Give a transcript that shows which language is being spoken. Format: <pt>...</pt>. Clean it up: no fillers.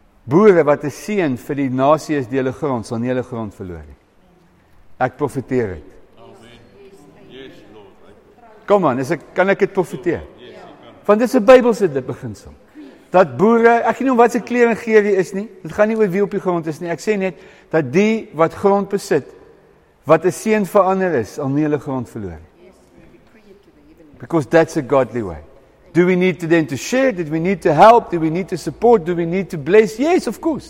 <af>Boere wat 'n seën vir die nasie is deel hulle grond, sal nie hulle grond verloor nie. Ek profeteer dit.</af> <en>Yes.</en> <af>Kom aan, kan ek dit profeteer? Want dit is 'n Bybelse beginsel. Dat boere, ek sê nie om wat se kleer en geer jy is nie, dit gaan nie oor wie op die grond is nie, ek sê net, dat die wat grond besit, wat 'n seën vir ander is, al nie hulle grond verloor.</af> <en>Because that's a godly way. Do we need to then to share? Do we need to help? Do we need to support? Do we need to bless? Yes, of course.</en>